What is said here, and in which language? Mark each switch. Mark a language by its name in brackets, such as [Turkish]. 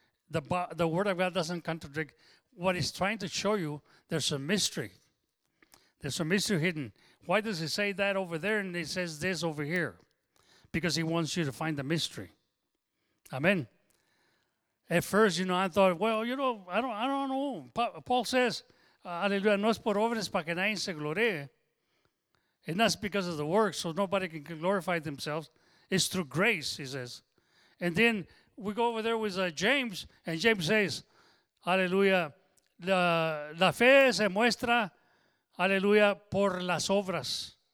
[English] The word of God doesn't contradict what it's trying to show you. There's a mystery. There's a mystery hidden. Why does it say that over there and it says this over here? Because he wants you to find the mystery. Amen. At first, you know, I thought, well, you know, I don't know. Paul says, [Spanish] aleluya, no es por obras para que nadie se gloríe. [English] And that's because of the works, so nobody can glorify themselves. It's through grace, he says. And then we go over there with James, and James says, aleluya, [Spanish] la fe se muestra, aleluya, por las obras.